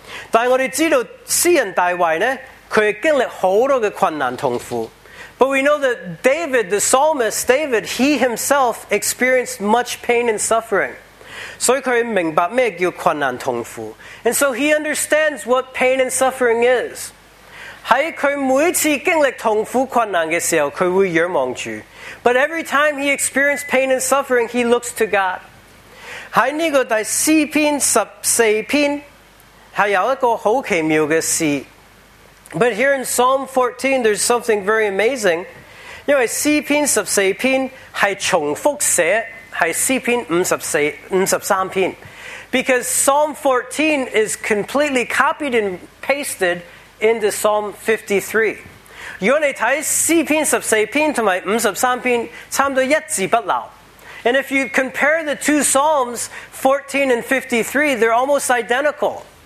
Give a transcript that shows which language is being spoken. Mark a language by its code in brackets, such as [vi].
[yue] 但我们知道诗人大卫呢，他经历好多的困难痛苦。 [en] But we know that David, the psalmist David, he himself experienced much pain and suffering. [yue] 所以他明白什么叫困难痛苦。 [en] And so he understands what pain and suffering is. [yue] 在他每次经历痛苦困难的时候，他会仰望主。 [en] But every time he experienced pain and suffering, he looks to God. [yue] 在这个第四篇、十四篇，还有一个很奇妙的事。 [en] But here in Psalm 14, there's something very amazing. [yue] 因为四篇、十四篇是重复写，是四篇五十三篇。 [en] Because Psalm 14 is completely copied and pasted into Psalm 53. [yue] 如果你睇詩篇、十四篇同埋五十三篇，差唔多一字不漏。 [en] And if you compare the two Psalms, 14 and 53, they're almost identical.